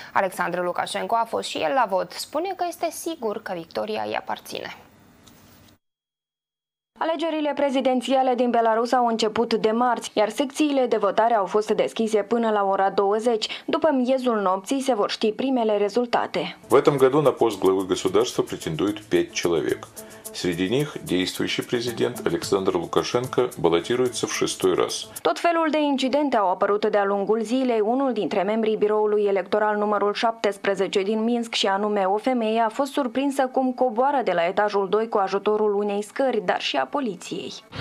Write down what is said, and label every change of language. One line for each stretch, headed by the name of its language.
Romanian: Alexandru Lukashenko a fost și el la vot. Spune că este sigur că victoria îi aparține. Alegerile prezidențiale din Belarus au început de marți, iar secțiile de votare au fost deschise până la ora 20. După miezul nopții se vor ști primele rezultate.
Russian: В этом году на пост главы государства претендуют 5 человек. Среди них действующий президент Александр Лукашенко балотируется в шестой раз.
Romanian: Tot felul de incidente au apărut de-a lungul zilei. Unul dintre membrii biroului electoral numărul 17 din Minsk, și anume o femeie, a fost surprinsă cum coboară de la etajul 2 cu ajutorul unei scări, dar și a poliției.